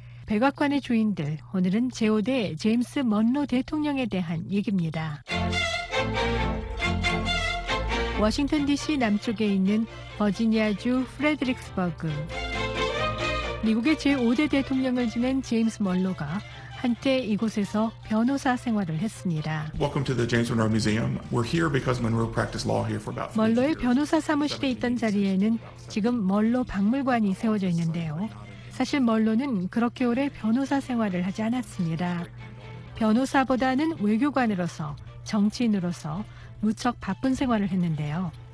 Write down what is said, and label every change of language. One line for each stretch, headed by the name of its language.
Korean: 백악관의 주인들, 오늘은 제5대 제임스 먼로 대통령에 대한 얘기입니다. 워싱턴 DC 남쪽에 있는 버지니아주 프레드릭스버그. 미국의 제5대 대통령을 지낸 제임스 먼로가 한때 이곳에서 변호사 생활을 했습니다.
English: Welcome to the James Monroe Museum. We're here because Monroe practiced law here for about
Korean: 먼로의 변호사 사무실에 있던 자리에는 지금 먼로 박물관이 세워져 있는데요. 사실 먼로는 그렇게 오래 변호사 생활을 하지 않았습니다. 변호사보다는 외교관으로서, 정치인으로서 무척 바쁜 생활을 했는데요.